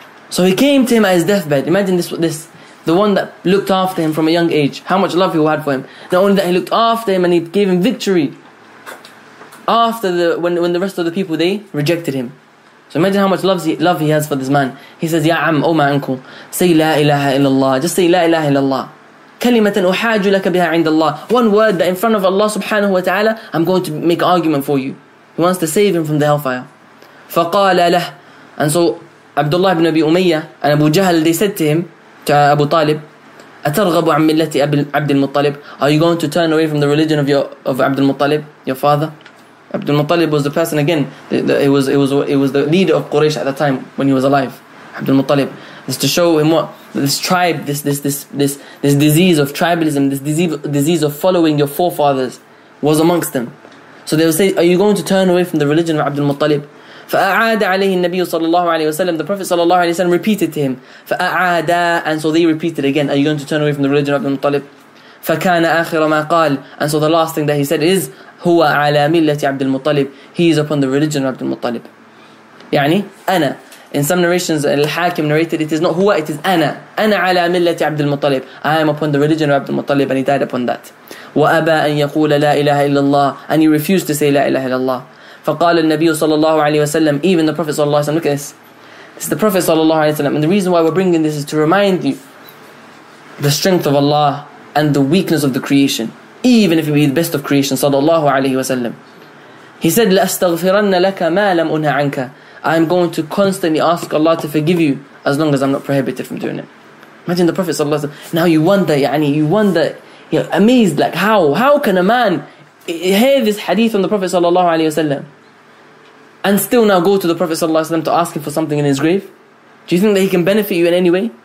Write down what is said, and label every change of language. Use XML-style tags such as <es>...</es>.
<en>So he came to him at his deathbed. Imagine this, the one that looked after him from a young age. How much love he had for him. Not only that, he looked after him and he gave him victory after when the rest of the people, they rejected him. So imagine how much love he has for this man. He says, Ya Am, oh my uncle, say La ilaha illallah. Just say La ilaha illallah.</en> <ar>كلمةً أحاج لك بها عند الله.</ar> <en>One word that in front of Allah subhanahu wa ta'ala, I'm going to make an argument for you. He wants to save him from the hellfire.</en> <ar>فقال له.</ar> <en>And so Abdullah ibn Abi Umayyah and Abu Jahl, they said to him, to Abu Talib,</en> <ar>أترغب عن ملة عبد المطلب?</ar> <en>Are you going to turn away from the religion of Abd al-Muttalib, your father? Abd al-Muttalib was the person again, he was the leader of Quraysh at that time when he was alive. Abd al-Muttalib. This to show him what this tribe, this disease of tribalism, this disease of following your forefathers was amongst them. So they would say, are you going to turn away from the religion of Abd al-Muttalib?</en> <ar>فأعاد عليه النبي صلى الله عليه وسلم.</ar> <en>The Prophet</en> <ar>صلى الله عليه وسلم</ar> <en>repeated to him. فأعاد, and so they repeated again. Are you going to turn away from the religion of Abd al-Muttalib?</en> <ar>فكان آخر ما قال.</ar> <en>And so the last thing that he said is,</en> <ar>هو على ملة عبد المطلب.</ar> <en>He is upon the religion of Abd al-Muttalib.</en> <ar>يعني أنا.</ar> <en>In some narrations, Al-Hakim narrated, it is not هو, it is أنا.</en> <ar>أنا على ملة عبد المطلب.</ar> <en>I am upon the religion of Abd al-Muttalib, and he died upon that.</en> <ar>وأبى أن يقول لا إله إلا الله,</ar> <en>and he refused to say</en> <ar>لا إله إلا الله. فقال النبي صلى الله عليه وسلم,</ar> <en>even the Prophet</en> <ar>صلى الله عليه وسلم,</ar> <en>look at this. This is the Prophet صلى الله عليه وسلم, and the reason why we're bringing this is to remind you the strength of Allah and the weakness of the creation, even if it be the best of creation صلى الله عليه وسلم. He said,</en> <ar>لأستغفرن لك ما لم أنه عنك.</ar> <en>I'm going to constantly ask Allah to forgive you as long as I'm not prohibited from doing it. Imagine the Prophet صلى الله عليه وسلم. Now you wonder, يعني, you wonder, you're amazed, like how can a man hear this hadith from the Prophet sallallahu alaihi wasallam and still now go to the Prophet sallallahu alaihi wasallam to ask him for something in his grave? Do you think that he can benefit you in any way?</en>